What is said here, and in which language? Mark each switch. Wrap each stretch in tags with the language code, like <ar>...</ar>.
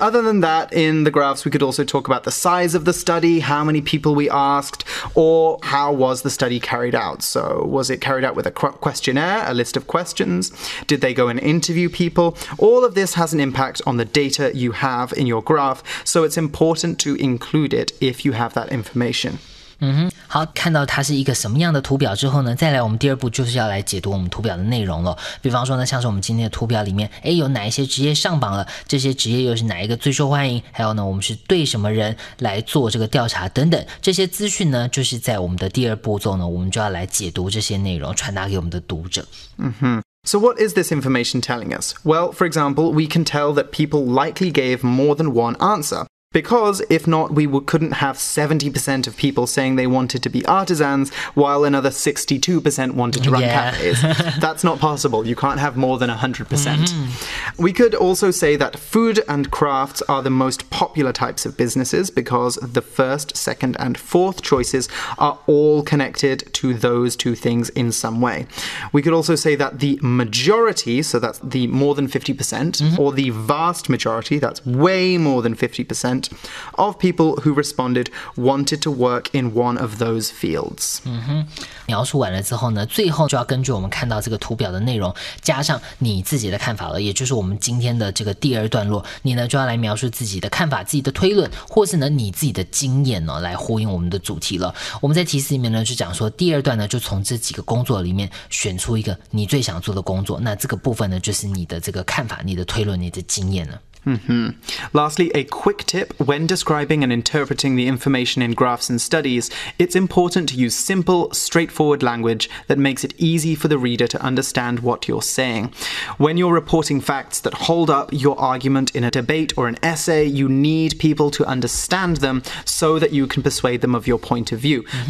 <en>Other than that, in the graphs, we could also talk about the size of the study, how many people we asked, or how was the study carried out. So was it carried out with a questionnaire, a list of questions? Did they go and interview people? All of this has an impact on the data you have in your graph, so it's important to include it if you have that information.</en> <zh>嗯哼，好，看到它是一个什么样的图表之后呢，再来我们第二步就是要来解读我们图表的内容了。比方说呢，像是我们今天的图表里面，哎，有哪一些职业上榜了，这些职业又是哪一个最受欢迎，还有呢，我们是对什么人来做这个调查等等，这些资讯呢，就是在我们的第二步骤呢，我们就要来解读这些内容，传达给我们的读者。</zh> <en>嗯哼。So what is this information telling us? Well, for example, we can tell that people likely gave more than one answer. Because if not, we couldn't have 70% of people saying they wanted to be artisans while another 62% wanted to run cafes. That's not possible. You can't have more than 100%. Mm-hmm. We could also say that food and crafts are the most popular types of businesses because the first, second, and fourth choices are all connected to those two things in some way. We could also say that the majority, so that's the more than 50%, mm-hmm. or the vast majority, that's way more than 50%,of people who responded wanted to work in one of those fields.</en> <zh>嗯哼，描述完了之后呢，最后就要根据我们看到这个图表的内容，加上你自己的看法了，也就是我们今天的这个第二段落，你呢就要来描述自己的看法、自己的推论，或是呢你自己的经验呢，来呼应我们的主题了。我们在题词里面呢就讲说，第二段呢就从这几个工作里面选出一个你最想做的工作，那这个部分呢就是你的这个看法、你的推论、你的经验了。 Mm-hmm.</zh> <en>Lastly, a quick tip, when describing and interpreting the information in graphs and studies, it's important to use simple, straightforward language that makes it easy for the reader to understand what you're saying. When you're reporting facts that hold up your argument in a debate or an essay, you need people to understand them so that you can persuade them of your point of view. Mm-hmm.</en>